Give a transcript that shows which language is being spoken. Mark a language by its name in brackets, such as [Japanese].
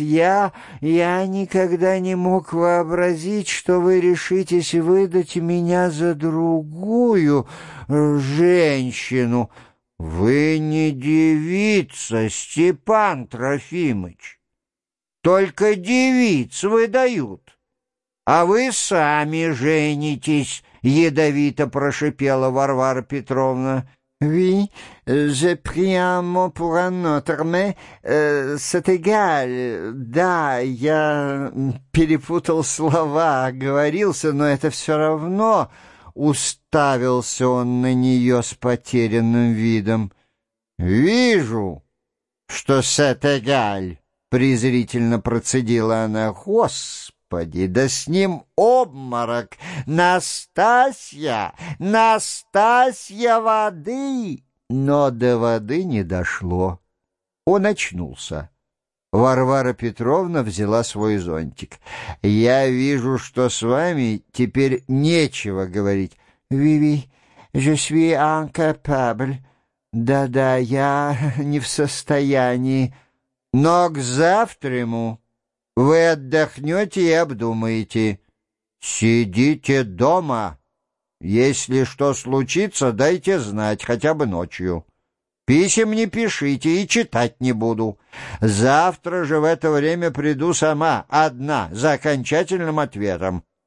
[Russian] «Я никогда не мог вообразить, что вы решитесь выдать меня за другую женщину». «Вы не девица, Степан Трофимыч!» Только девиц выдают. А вы сами женитесь, — ядовито прошипела Варвара Петровна. [French] Oui, je prie un mot pour un autre, mais c'est égal. [Russian] Да, я перепутал слова, оговорился, но это все равно. Уставился он на нее с потерянным видом. Вижу, что [French] c'est égal. [Russian] Презрительно процедила она. «Господи, да с ним обморок! Настасья! Настасья воды!» Но до воды не дошло. Он очнулся. Варвара Петровна взяла свой зонтик. «Я вижу, что с вами теперь нечего говорить». [French] «Ви-ви, je suis incapable». [Russian] «Да-да, я не в состоянии». «Но к завтраму вы отдохнете и обдумаете. Сидите дома. Если что случится, дайте знать, хотя бы ночью. Писем не пишите и читать не буду. Завтра же в это время приду сама, одна, за окончательным ответом.